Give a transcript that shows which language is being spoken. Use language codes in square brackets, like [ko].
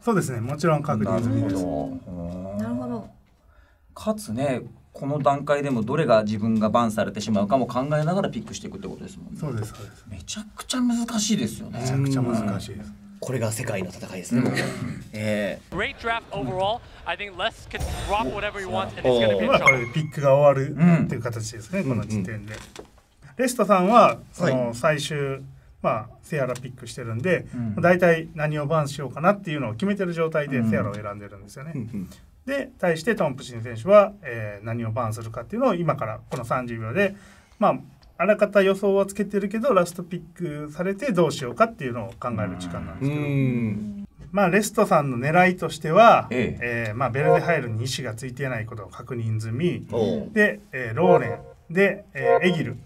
[ja] そうですね、もちろん確認済みです。なるほど。かつね、この段階でもどれが自分がバンされてしまうかも考えながらピックしていくってことですもんね。そうですそうです。めちゃくちゃ難しいですよね。めちゃくちゃ難しいです。これが世界の戦いですね。 [en] Great draft overall. I think Les can drop whatever he wants, and it's gonna be a shock. [ja] これピックが終わるっていう形ですね、うん、この時点で。レストさんはその最終、はい、まあセアラピックしてるんで、うん、大体何をバンしようかなっていうのを決めてる状態でセアラを選んでるんですよね。うんうんうん、で対してトンプシン選手は、何をバンするかっていうのを今からこの30秒で、まあ、あらかた予想はつけてるけどラストピックされてどうしようかっていうのを考える時間なんですけど、まあレストさんの狙いとしては、まあ、ベルデハイルに意思がついてないことを確認済みで、ローレンで、エギル、